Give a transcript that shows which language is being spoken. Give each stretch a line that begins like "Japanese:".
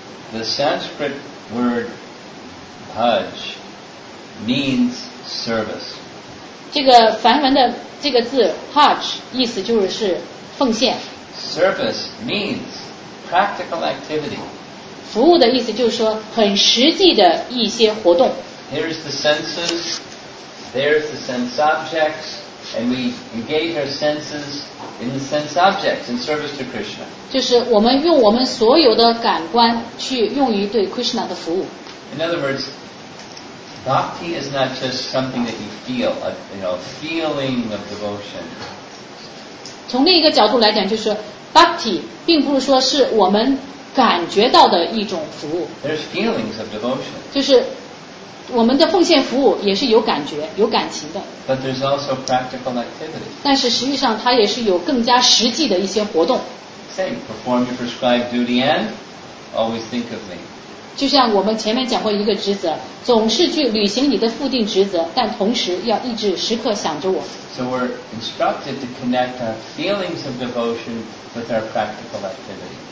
English: The Sanskrit word bhaj means service.
Chinese: 这个梵文的这个字 bhaj 意思就是奉献。
English: Service means practical activity.
Chinese: 服务的意思就是说很实际的一些活动。
English: Here's the senses, there's the sense objects, and we engage our senses in the sense objects in service to Krishna.
Chinese: 就是我们用我们所有的感官去用于对 Krishna 的服务。
English: In other words, bhakti is not just something that you feel, a, you know, feeling of devotion.
Chinese: 从另一个角度来讲，就是 bhakti 并不是说是我们感觉到的一种服务。
English: There's feelings of devotion.
Chinese: 就是我们的奉献服务也是有感觉、有感情的。
English: But there's also practical activity.
Chinese: 但是实际上它也是有更加实际的一些活动。
English: Same, perform your prescribed duty and always think of me.
Chinese: 就像我们前面讲过一个职责，总是去履行你的附定职责，但同时要一直时刻想着我。
English: So we're instructed to connect our feelings of devotion with our practical activity.